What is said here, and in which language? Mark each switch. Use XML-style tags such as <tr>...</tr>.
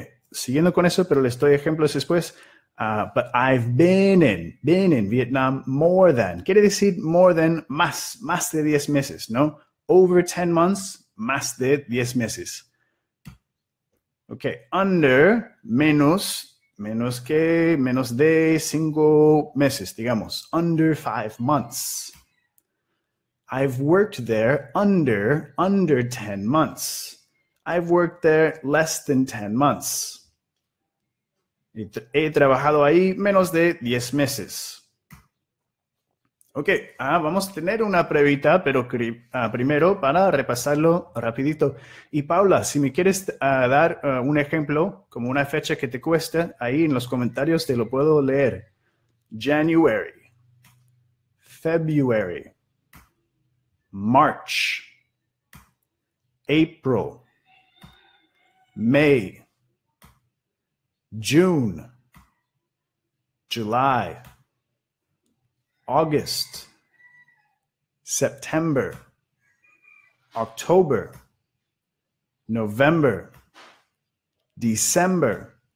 <es>Siguiendo con eso, pero les doy ejemplos después.</es> <en>But I've been in Vietnam more than.</en> <es>Quiere decir</es> <en>more than,</en> <es>más de 10 meses, ¿no?</es> <en>Over 10 months,</en> <es>más de 10 meses. Ok,</es> <en>under,</en> <es>menos de 5 meses, digamos.</es> <en>Under 5 months. I've worked there under 10 months. I've worked there less than 10 months.</en> <es>He trabajado ahí menos de 10 meses. Ok, vamos a tener una previta, pero primero para repasarlo rapidito. Y Paula, si me quieres dar un ejemplo, como una fecha que te cuesta, ahí en los comentarios te lo puedo leer.</es> <en>January, February, March, April, May, June, July, August, September, October, November, December.</en>